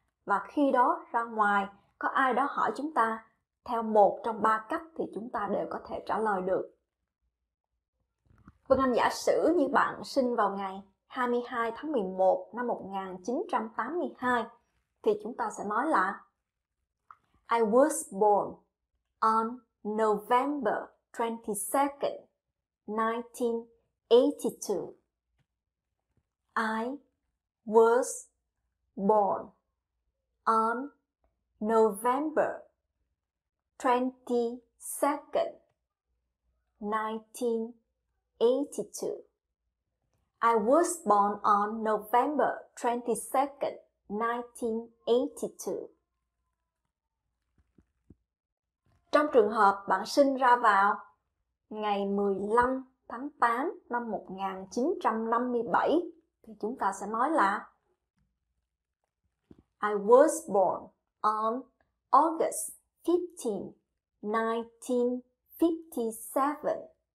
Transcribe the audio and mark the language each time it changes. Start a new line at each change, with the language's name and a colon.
Vietnamese: Và khi đó ra ngoài có ai đó hỏi chúng ta theo một trong 3 cách thì chúng ta đều có thể trả lời được. Vân Anh giả sử như bạn sinh vào ngày 22 tháng 11 năm 1982 thì chúng ta sẽ nói là
English: I was born on November 22nd, 1982. I was born on November 22nd, 1982. I was born on November 22nd, 1982.
Vietnamese: Trong trường hợp bạn sinh ra vào ngày 15 tháng 8 năm 1957 thì chúng ta sẽ nói là
English: I was born on August 15, 1957.